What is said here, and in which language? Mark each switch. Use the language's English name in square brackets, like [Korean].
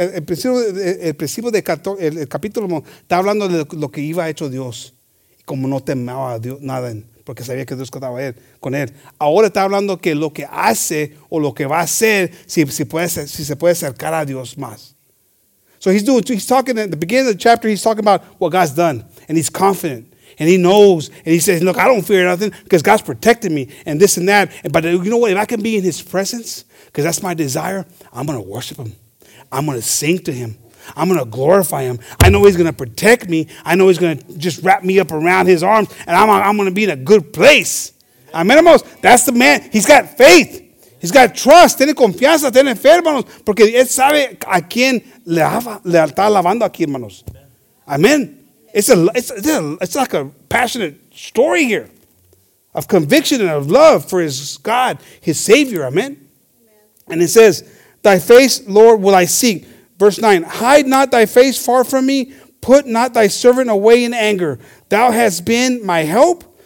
[Spanish] El capítulo está hablando de lo que iba a hecho Dios, como no temaba a Dios nada. Porque sabía que Dios contaba con él. Ahora está hablando que lo que hace o lo que va a hacer, si se puede acercar a Dios más. [English] So he's talking at the beginning of the chapter, he's talking about what God's done. And he's confident. And he knows. And he says, look, I don't fear nothing because God's protecting me and this and that. But you know what? If I can be in his presence, because that's my desire, I'm going to worship him. I'm going to sing to him. I'm going to glorify him. I know he's going to protect me. I know he's going to just wrap me up around his arms, and I'm going to be in a good place. Amen, hermanos. That's the man. He's got faith. He's got trust. [Spanish] Tiene confianza. Tiene fe, hermanos. Porque él sabe a quién le está alabando aquí, hermanos. [English] Amen. It's like a passionate story here of conviction and of love for his God, his Savior. Amen. And it says, thy face, Lord, will I seek. Verse 9, hide not thy face far from me. Put not thy servant away in anger. Thou hast been my help.